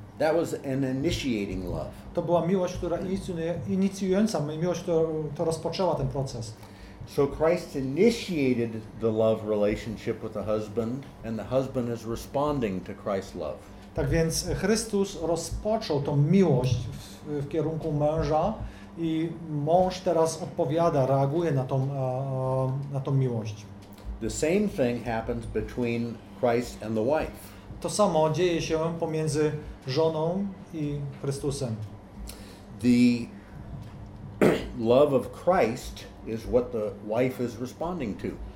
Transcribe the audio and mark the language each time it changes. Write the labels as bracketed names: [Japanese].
[English] That was an initiating love. [Polish] To była miłość, która inicjująca, miłość, to rozpoczęła ten proces. [English] So Christ initiated the love relationship with the husband, and the husband is responding to Christ's love. [Polish] Tak więc Chrystus rozpoczął tą miłość w kierunku męża i mąż teraz odpowiada, reaguje na tą miłość. [English] The same thing happens between Christ and the wife. [Polish] To samo dzieje się pomiędzy żoną i Chrystusem. [English] The love of Christ is what the wife is responding to.